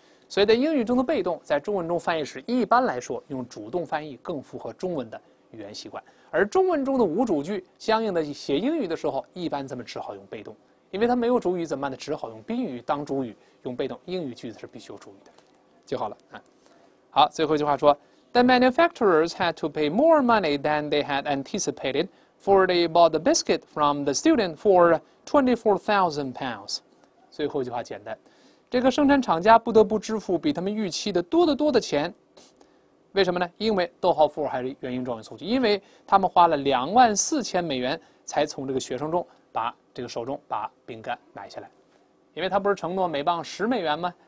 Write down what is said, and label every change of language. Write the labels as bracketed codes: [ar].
[zh] 所以在英语中的被动，在中文中翻译时，一般来说用主动翻译更符合中文的语言习惯。而中文中的无主句，相应的写英语的时候，一般咱们只好用被动，因为它没有主语怎么办呢？只好用宾语当主语，用被动。英语句子是必须有主语的，就好了啊。好，最后一句话说。 [en] The manufacturers had to pay more money than they had anticipated, for they bought the biscuit from the student for £24,000. [zh] 最后一句话简单，这个生产厂家不得不支付比他们预期的多得多的钱。为什么呢？因为逗号 for 还是原因状语从句，因为他们花了$24,000才从这个学生中把这个手中把饼干买下来，因为他不是承诺每磅$10吗？